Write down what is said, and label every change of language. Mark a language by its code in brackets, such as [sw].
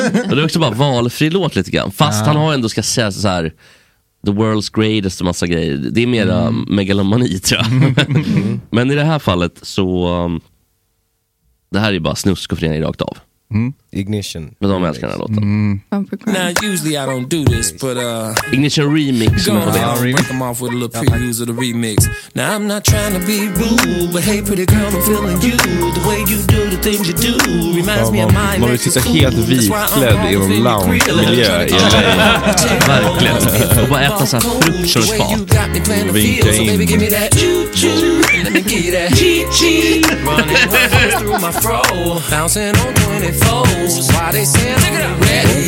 [sv] Och det är också bara valfri låt lite grann. Fast han har ändå ska säga så här [en] the world's greatest [sv] och massa grejer. Det är mera megalomani tror jag. Men i det här fallet så det här är bara snusk och fredag rakt av. [en] Ignition. [sv] Men de älskar den här låten. [en] Now usually I don't do this but Ignition remix. Now I'm not trying to be rude but hey pretty girl I'm feeling you the way you do the things you do reminds me of my. [sv] Man vill sitta helt vitklädd i en lounge miljö i LA. Verkligen. Och bara äta såhär frukt och spat. Vinka in. [en] lady. Chi-chi. Running wild through my fro. Bouncing on 24s. Why they say I'm ready.